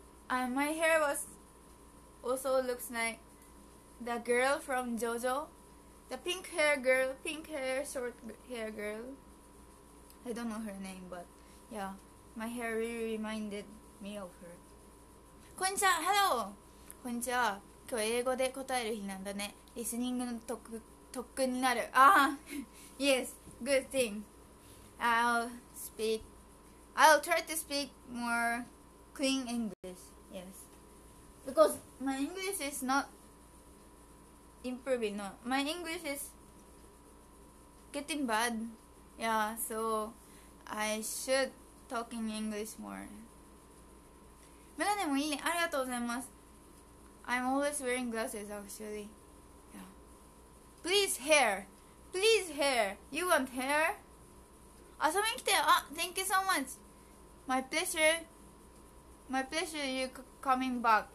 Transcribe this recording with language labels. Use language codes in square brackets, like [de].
[en] my hair was also looks like the girl from JoJo, the pink hair girl, pink hair, short hair girl. I don't know her name, but yeah, my hair really reminded me of her. [ja] こんにちは、ハロー。こんにちは。今日英語で答える日なんだね。リスニングの特訓になる。 [en] Ah, yes, good thing. I'll try to speak more clean English. Yes, because my English is not improving. No, my English is getting bad. Yeah, so I should talk in English more. [ja] メガネもいいね。ありがとうございます。 [en] I'm always wearing glasses, actually. Yeah. Please hair. Please hair. You want hair? [ja] 遊びに来てよ。 [en] あ、thank you so much. My pleasure. My pleasure, you coming back.